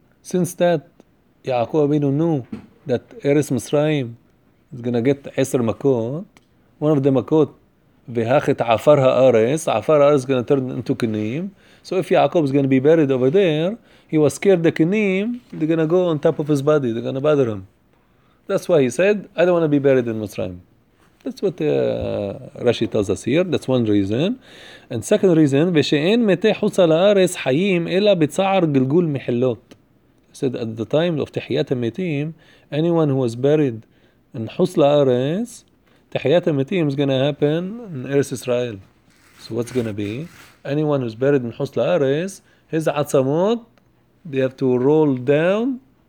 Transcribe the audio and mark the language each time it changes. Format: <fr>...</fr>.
<en>since that Yaakov Abinu knew that Eretz Mitzrayim is gonna get 10 makot, one of the makot</en> <he>v'hachet afar ha'aretz,</he> <en>afar ha'aretz is gonna turn into kinim. So if Yaakov is gonna be buried over there, he was scared the kinim they're gonna go on top of his body, they're gonna bother him. That's why he said, I don't want to be buried in Mitzrayim. That's what Rashi tells us here. That's one reason. And second reason,</en> <he>ושאין מתי חוץ על הארץ חיים אלא בצער גלגול מחלות.</he> <en>He said, at the time of תחיית המתים, anyone who was buried in חוץ לארץ, תחיית המתים is going to happen in Eretz Israel. So what's going to be? Anyone who's buried in חוץ לארץ, his עצמות, they have to roll down.</en>